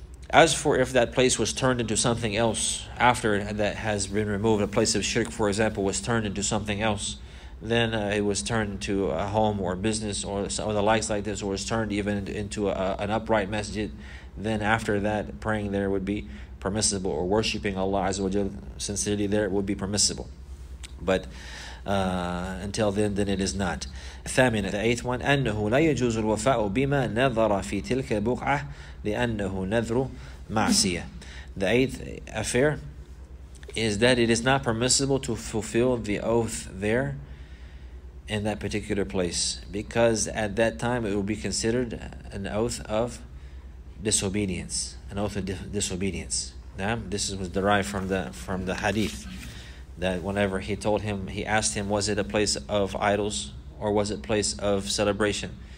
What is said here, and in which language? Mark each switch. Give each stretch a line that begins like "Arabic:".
English: As for if that place was turned into something else after that has been removed, a place of shirk, for example, was turned into something else, then it was turned into a home or business or some of the likes like this, or was turned even into an upright masjid, then after that, praying there would be permissible, or worshipping Allah Azza wa Jal sincerely there would be permissible. But until then it is not.
Arabic: ثامنة,
English: the eighth one,
Arabic: أنه لا يجوز الوفاء بما نظر في تلك البقعة لأنه نذر معصية.
English: The eighth affair is that it is not permissible to fulfill the oath there in that particular place, because at that time it will be considered an oath of disobedience. An oath of disobedience. Now, this was derived from the hadith, that whenever he asked him, was it a place of idols or was it a place of celebration?